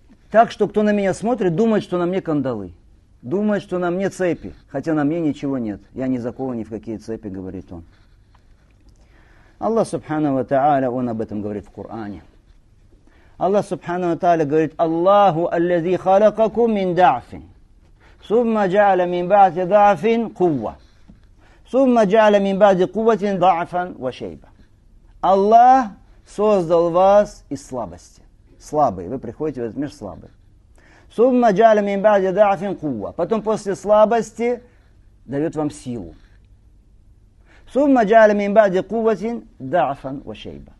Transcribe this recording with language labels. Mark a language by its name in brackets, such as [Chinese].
[Russian] Так что кто на меня смотрит, думает, что на мне кандалы. Думает, что на мне цепи. Хотя на мне ничего нет. Я не закован ни в какие цепи, говорит он. Аллах Субхану ва Тааля, он об этом говорит в Коране. Аллах Субхану ва Тааля говорит, [Arabic] Аллаху, аллязи халакакум мин дафин. ثم جعل من بعد ضعف قوة ثم جعل من بعد قوة ضعفا وشيبة. [Russian] Аллах создал вас из слабости. Слабые. Вы приходите в этот мир слабые. [Arabic] Сумма джаля мин бади дафин кува. [Russian] Потом после слабости дает вам силу. [Arabic] Сумма джаля мин бади куватин дафан вашейба.